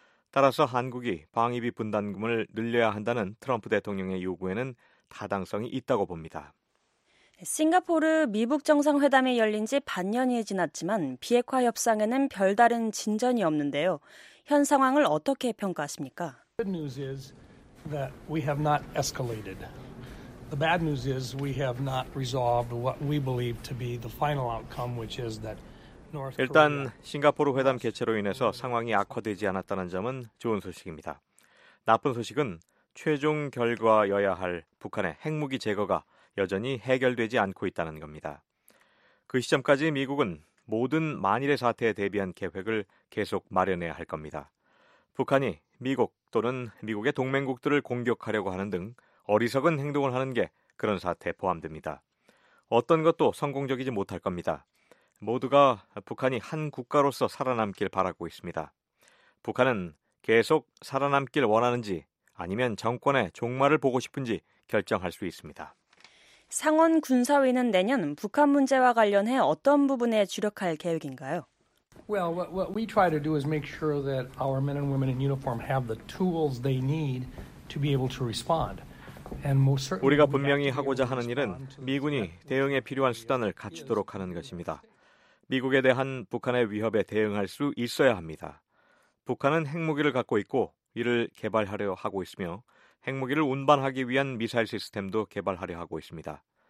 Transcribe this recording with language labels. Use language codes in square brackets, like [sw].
[ko] 따라서 한국이 방위비 분담금을 늘려야 한다는 트럼프 대통령의 요구에는 타당성이 있다고 봅니다. 싱가포르 미북 정상회담이 열린 지 반년이 지났지만 비핵화 협상에는 별다른 진전이 없는데요. 현 상황을 어떻게 평가하십니까? [en] Good news is that we have not escalated. The bad news is we have not resolved what we believe to be the final outcome, which is that North Korea. [ko] 일단 싱가포르 회담 개최로 인해서 상황이 악화되지 않았다는 점은 좋은 소식입니다. 나쁜 소식은 최종 결과여야 할 북한의 핵무기 제거가 여전히 해결되지 않고 있다는 겁니다. 그 시점까지 미국은 모든 만일의 사태에 대비한 계획을 계속 마련해야 할 겁니다. 북한이 미국 또는 미국의 동맹국들을 공격하려고 하는 등 어리석은 행동을 하는 게 그런 사태에 포함됩니다. 어떤 것도 성공적이지 못할 겁니다. 모두가 북한이 한 국가로서 살아남길 바라고 있습니다. 북한은 계속 살아남길 원하는지 아니면 정권의 종말을 보고 싶은지 결정할 수 있습니다. 상원 군사위는 내년 북한 문제와 관련해 어떤 부분에 주력할 계획인가요? [en] Well, what we try to do is make sure that our men and women in uniform have the tools they need to be able to respond. [ko] 우리가 분명히 하고자 하는 일은 미군이 대응에 필요한 수단을 갖추도록 하는 것입니다. 미국에 대한 북한의 위협에 대응할 수 있어야 합니다. 북한은 핵무기를 갖고 있고 이를 개발하려 하고 있으며 핵무기를 운반하기 위한 미사일 시스템도 개발하려 하고 있습니다.